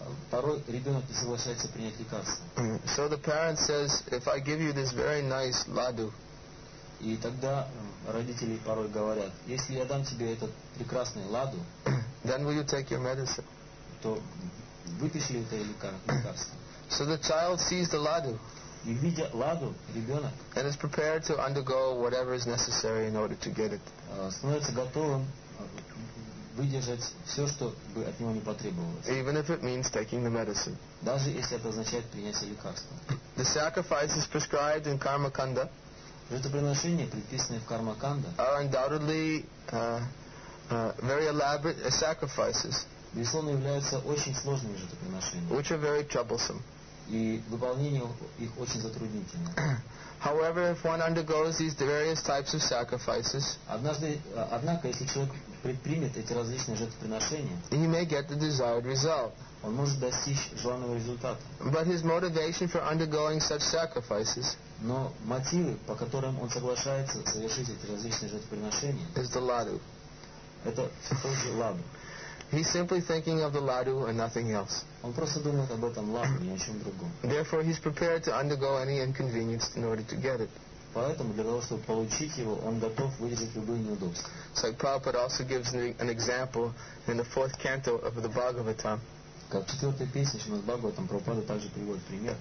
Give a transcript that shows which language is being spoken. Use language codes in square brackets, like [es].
[ru] Порой ребенок не соглашается принять лекарство. [en] So the parent says, if I give you this very nice ladu. [ru] И тогда родители порой говорят, если я дам тебе этот прекрасный ладу, [en] then will you take your medicine? [ru] То выпиши это лекарство. [en] So the child sees the ladu. [ru] И видя ладу, ребенок. [en] And is prepared to undergo whatever is necessary in order to get it. [ru] Становится готовым выдержать все, что бы от него не потребовалось. [en] Even if it means taking the medicine. [ru] Даже если это означает принятие лекарства. [en] The sacrifices prescribed in Karmakanda. [ru] Жертвоприношения, предписанные в Кармаканда. [en] Are undoubtedly very elaborate sacrifices. [ru] Безусловно, являются очень сложными жертвоприношениями. [en] Which are very troublesome. [ru] И выполнение их очень затруднительно. [en] However, if one undergoes these various types of sacrifices, [ru] однако, если человек предпримет эти различные жертвоприношения, [en] he may get the desired result. [ru] Он может достичь желанного результата. [en] But his motivation for undergoing such sacrifices, [ru] но мотивы, по которым он соглашается совершить эти различные жертвоприношения, [en] is the ladu. [ru] Это тот же ладу. [en] He's simply thinking of the ladu and nothing else. [ru] Он просто думает об этом ладу, ни о чем другом. [en] Therefore, he's prepared to undergo any inconvenience in order to get it. [ru] Поэтому для того, чтобы получить его, он готов выдержать любые неудобства. [en] So Prabhupada also gives an example in the fourth canto of the Bhagavatam. [ru] Как в четвертой песне Шримад Бхагаватам Прабхупада также приводит пример.